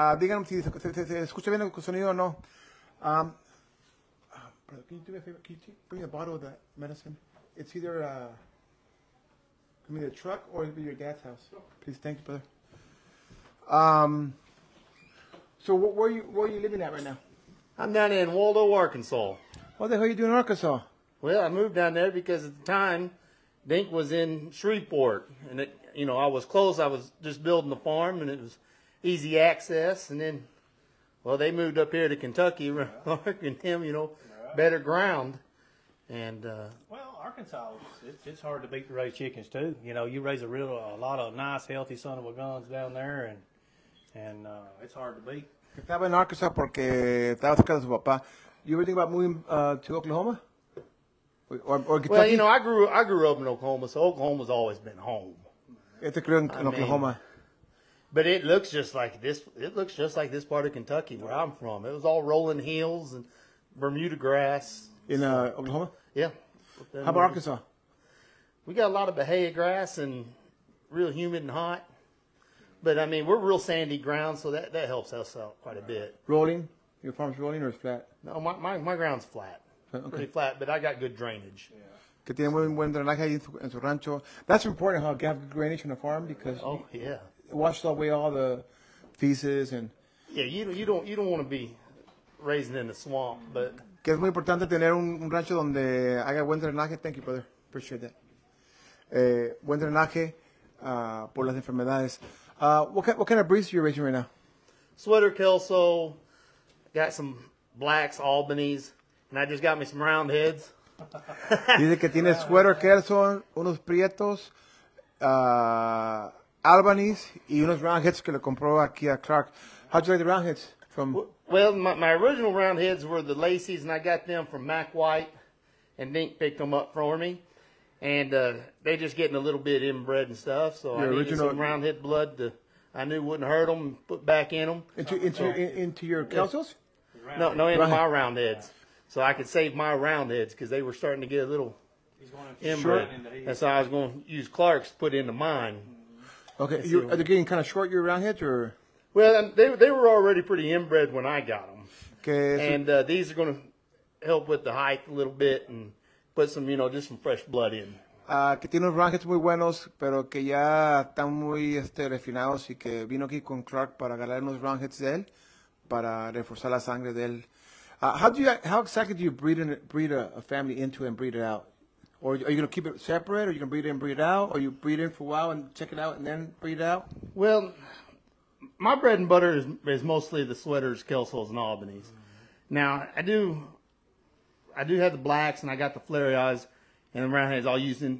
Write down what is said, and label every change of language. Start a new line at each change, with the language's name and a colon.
Spanish: Díganme si se escucha bien el sonido o no.
English: Brother, can you do me a favor? Can you bring a bottle of that medicine? It's either the truck or it'll be your dad's house. Please, thank you, brother. So where are you living at right now? I'm down in Waldo, Arkansas. What the hell are you doing in Arkansas? Well, I moved down there because at the time, Dink was in Shreveport. And, I was close. I was just building the farm, and it was easy access. And then, well, they moved up here to Kentucky, Mark and him, better ground. And well, Arkansas, it's hard to beat to raise chickens, too. You know, you raise a lot of nice, healthy son of a guns down there, and it's hard to beat.
Spanish: Estaba en Arkansas porque estaba cerca de su papá.
English: You ever think about moving to Oklahoma? Or Kentucky? Well, I grew up in Oklahoma, so Oklahoma's always been home.
Spanish: Este creo en Oklahoma. Mean,
English: but it looks just like this. It looks just like this part of Kentucky where I'm from. It was all rolling hills and Bermuda grass. In Oklahoma? Yeah. How about Arkansas? We got a lot of bahia grass and real humid and hot. But, I mean, we're real sandy ground, so that helps us out quite a bit. Rolling? Your farm's rolling or it's flat? No, my ground's flat. Okay. Pretty flat, but I got good drainage.
Spanish: Que tiene muy buen drenaje en su rancho.
English: That's important, huh? You have good drainage on a farm because it washes away all the feces and... Yeah, you don't want to be raising in the swamp, but...
Spanish: Que es muy importante tener un rancho donde haya buen drenaje.
English: Thank you, brother. Appreciate that.
Spanish: Buen drenaje por las enfermedades.
English: What kind of breeds are you raising right now? Sweater Kelso, got some Blacks, Albanies, and I just got me some round heads.
Spanish: Dice que tiene Sweater Kelso, unos Prietos, Albanies, y unos round heads que le compró aquí a Clark.
English: How'd you like the round heads? Well, my original round heads were the Lacys, and I got them from Mac White, and Dink picked them up for me. And they're just getting a little bit inbred and stuff, so your I needed original, some roundhead blood that I knew wouldn't hurt them and put back in them. Into your kelsos? No, into my roundheads. So I could save my roundheads because they were starting to get a little inbred. That's how I was going to use Clark's to put into mine. Okay, are they getting kind of short, your roundheads? Or? Well, they were already pretty inbred when I got them. And these are going to help with the height a little bit and put some, just some fresh blood in.
Spanish: Que tiene unos rangers muy buenos, pero que ya están muy refinados y que vino aquí con Clark para agarrar unos rangers de él, para reforzar la sangre de él.
English: How exactly do you breed a family into and breed it out? Or are you going to keep it separate, or are you going to breed it and breed it out, or you breed in for a while and check it out and then breed it out? Well, my bread and butter is mostly the Sweaters, Kelsos, and Albanies. Mm-hmm. Now, I do have the Blacks, and I got the Flareyes and the Roundheads all used